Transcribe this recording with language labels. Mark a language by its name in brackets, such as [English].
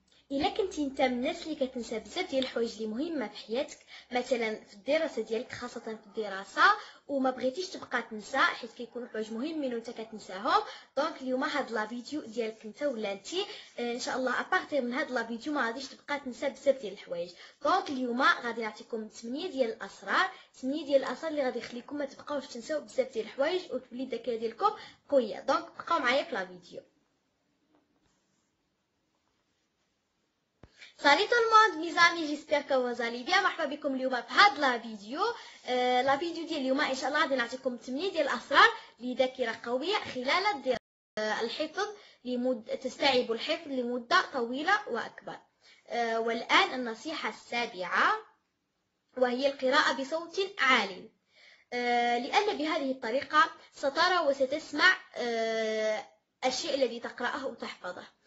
[Arabic] إذا كنتي انت من الناس اللي كتنسى بزاف ديال الحوايج اللي مهمه في حياتك، مثلا في الدراسه ديالك خاصه في الدراسه، وما بغيتيش تبقى تنسى حيت كيكونوا حوايج مهمين وانت كتنساهم، دونك اليوم هاد لا فيديو ديالك انت ولا انت ان شاء الله ابارتي من هاد لا فيديو ما غاديش تبقى تنسى بزاف ديال الحوايج. دونك اليوم غادي نعطيكم 8 ديال الاسرار، 8 ديال الاسرار اللي غادي يخليكم ما تبقاوش تنساو بزاف ديال الحوايج وتولي الذكاء ديالكم قويه. دونك بقاو معايا في لا فيديو. [French] Salut tout le monde mes amis, j'espère que vous allez bien. [Arabic] مرحبا بكم اليوم في هذا الفيديو. الفيديو ديال اليوم ان شاء الله غادي نعطيكم 8 ديال الاسرار لذاكره قويه خلال الحفظ تستعيب الحفظ لمده طويله واكبر. والان النصيحه السابعه وهي القراءه بصوت عال، لان بهذه الطريقه سترى وستسمع الشيء الذي تقراه وتحفظه.